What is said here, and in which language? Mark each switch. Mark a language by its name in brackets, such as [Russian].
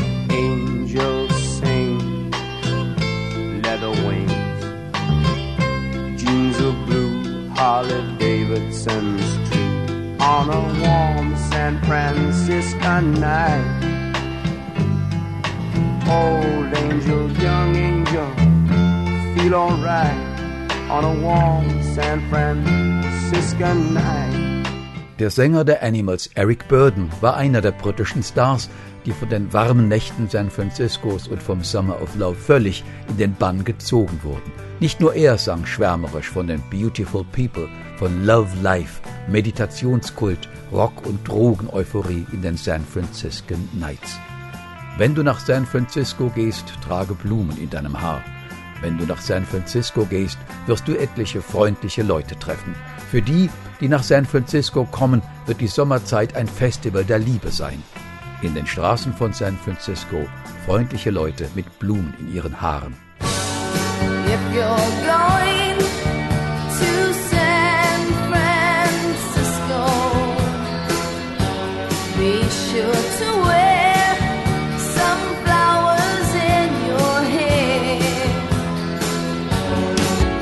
[English] Angels sing, leather wings, jeans of blue, Harley Davidson's tree. On a warm San Franciscan night. Old angel, young angel, feel alright. On a warm San Franciscan night. [German] Der Sänger der Animals, Eric Burdon, war einer der britischen Stars, die von den warmen Nächten San Franciscos und vom Summer of Love völlig in den Bann gezogen wurden. Nicht nur er sang schwärmerisch von den Beautiful People, von Love Life, Meditationskult, Rock- und Drogen-Euphorie in den San Franciscan Nights. Wenn du nach San Francisco gehst, trage Blumen in deinem Haar. Wenn du nach San Francisco gehst, wirst du etliche freundliche Leute treffen. Für die, die nach San Francisco kommen, wird die Sommerzeit ein Festival der Liebe sein. In den Straßen von San Francisco freundliche Leute mit Blumen in ihren Haaren. [English] If you're going to San Francisco, be sure to wear some flowers in your hair.